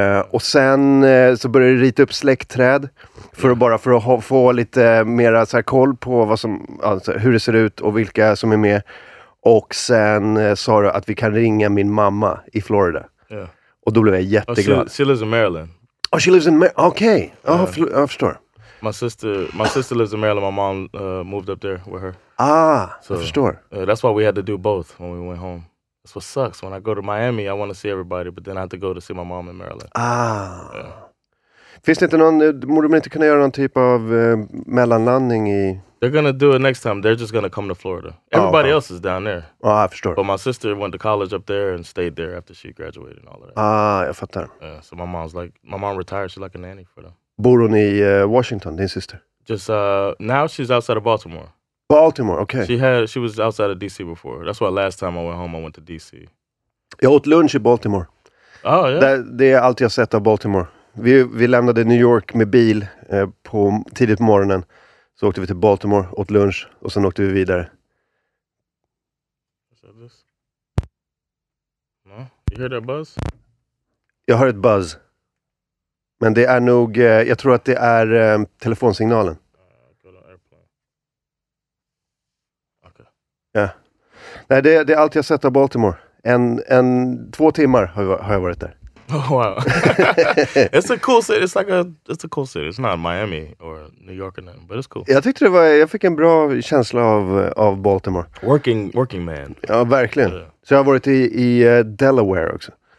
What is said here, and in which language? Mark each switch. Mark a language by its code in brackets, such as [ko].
[sv] Och sen så började jag rita upp släktträd för att få lite mer så här koll på vad som, alltså, hur det ser ut och vilka som är med. Och sen sa du att vi kan ringa min mamma i Florida. [en] Yeah. [sv] Och då blev jag jätteglad. [en] She lives in Maryland. Oh, she lives in Maryland. Okej. Okay. Yeah. [sv] Jag förstår. [en] My sister lives in Maryland. My mom moved up there with her. [sv] Ah, so, jag förstår. [en] That's why we had to do both when we went home. That's what sucks. When I go to Miami, I want to see everybody, but then I have to go to see my mom in Maryland. Ah. Yeah. [sv] Finns det inte någon, borde man inte kunna göra någon typ av mellanlandning i... [en] They're going to do it next time. They're just going to come to Florida. Everybody else is down there. [sv] Ja, jag förstår. [en] But my sister went to college up there and stayed there after she graduated and all of that. [sv] Ah, jag fattar. [en] Yeah, so my mom retired. She's like a nanny for them. [sv] Bor hon i Washington, din syster? [en] Just, now she's outside of Baltimore. Baltimore, okay. She was outside of D.C. before. That's why last time I went home, I went to D.C. [sv] Jag åt lunch i Baltimore. [en] Oh, yeah. [sv] Det är allt jag sett av Baltimore. Vi lämnade New York med bil på tidigt på morgonen. Så åkte vi till Baltimore, åt lunch och sen åkte vi vidare. [en] Is that this? No? You hear that buzz? [sv] Jag hör ett buzz. Men det är nog, jag tror att det är telefonsignalen. Ja. Yeah. Nej, det är allt jag sett av Baltimore. En 2 timmar har jag varit där. [en] Oh, wow. It's a cool city. It's a cool city. It's not Miami or New York or nothing, but it's cool. [sv] Jag tyckte det var, jag fick en bra känsla av Baltimore. [en] Working man. [sv] Ja, verkligen. Yeah. Så jag har varit i Delaware också.